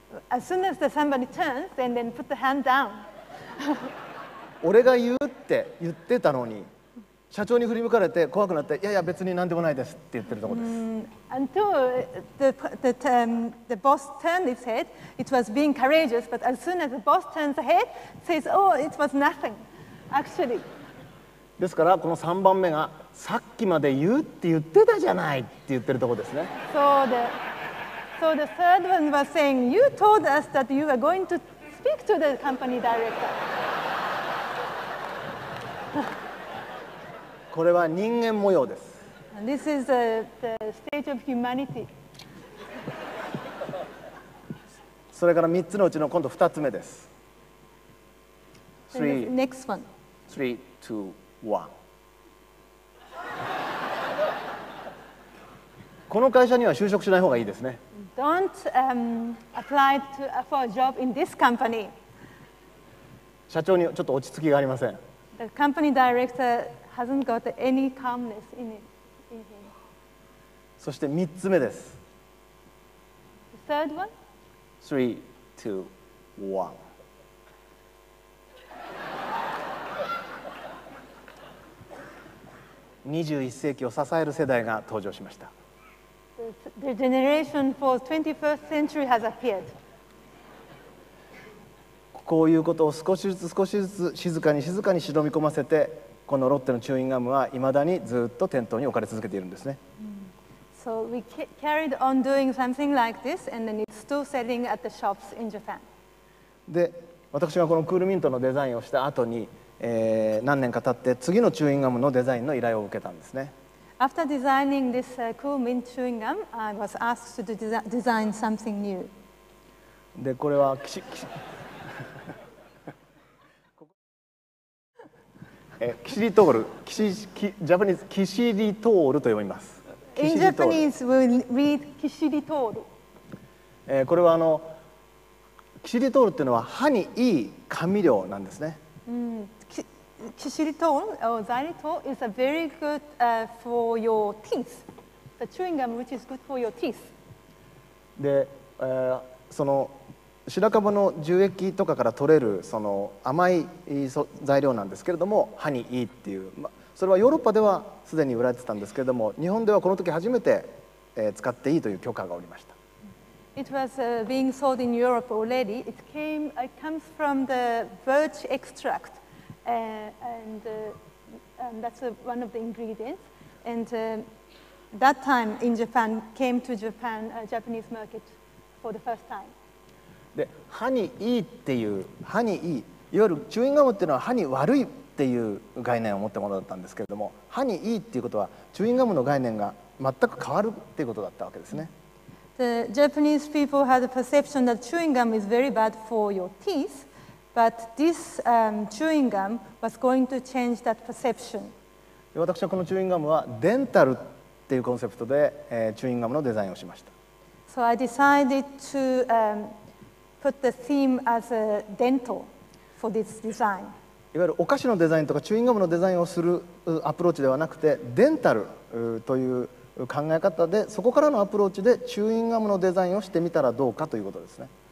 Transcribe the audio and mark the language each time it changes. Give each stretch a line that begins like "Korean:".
English: As soon as somebody turns, then put the hand down.
Japanese: 俺が言ってたのに、社長に振り向かれて怖くなって、いやいや別に何でもないですって言ってるところです。
English: Until the boss turned his head, it was being courageous, but as soon as the boss turns the head, says, oh, it was nothing, actually.
Japanese: ですからこの3番目が、さっきまで言うって言ってたじゃないって言ってるところですね。
English: So the third one was saying, you told us that you were going to speak to the company director.
Japanese: これは人間模様です。
English: This is the state of humanity.
Japanese: それから3つのうちの今度2つ目です。
English: Next one. 3, 2, 1.
Japanese: この会社には就職しない方がいいですね。
English: Don't apply for a job in this company.
Japanese: 社長にちょっと落ち着きがありません。
English: The company director hasn't got any calmness in it.
Japanese: そして3つ目です。
English: The third one? 3, 2, 1.
Japanese: 21世紀を支える世代が登場しました。
English: The generation for 21st century has appeared.
Japanese: こういうことを少しずつ少しずつ静かに忍び込ませて、このロッテのチューインガムは未だにずっと店頭に置かれ続けているんですね。
English: So we carried on doing something like this, and then it's still selling at the shops in Japan.
Japanese: で、私がこのクールミントのデザインをした後に、何年か経って次のチューインガムのデザインの依頼を受けたんですね。
English: After designing this cool mint chewing gum, I was asked to design something new.
Japanese: で、これはきちっキシリトール、ジャパニーズキシリトールと読みます。
English: In Japanese, we read キシリトール。
Japanese: これはキシリトールっていうのは歯にいい甘味料なんですね。
English: キシリトール or xylitol is a very good for your teeth. The chewing gum which is good for your teeth.
Japanese: で、その白樺の樹液とかから取れるその甘い材料なんですけれども歯にいいっていう、ま、それはヨーロッパではすでに売られてたんですけれども日本ではこの時初めて、使っていいという許可がおりました。
English: It was being sold in Europe already. It comes from the birch extract and that's one of the ingredients and that time in Japan came to Japan, Japanese market for the first time.
Japanese: で歯にいいっていう歯にいいいわゆるチューインガムっていうのは歯に悪いっていう概念を持ったものだったんですけれども歯にいいっていうことはチューインガムの概念が全く変わるっていうことだったわけですね。
English: The Japanese people had a perception that chewing gum is very bad for your teeth but this chewing gum was going to change that perception.
Japanese: 私はこのチューインガムはデンタルっていうコンセプトで、チューインガムのデザインをしました。
English: So I decided to、put the theme as a dental for this design.
Japanese: いわゆるお菓子のデザインとかチューインガムのデザインをするアプローチではなくてデンタルという考え方でそこからのアプローチでチューインガムのデザインをしてみたらどうかということですね。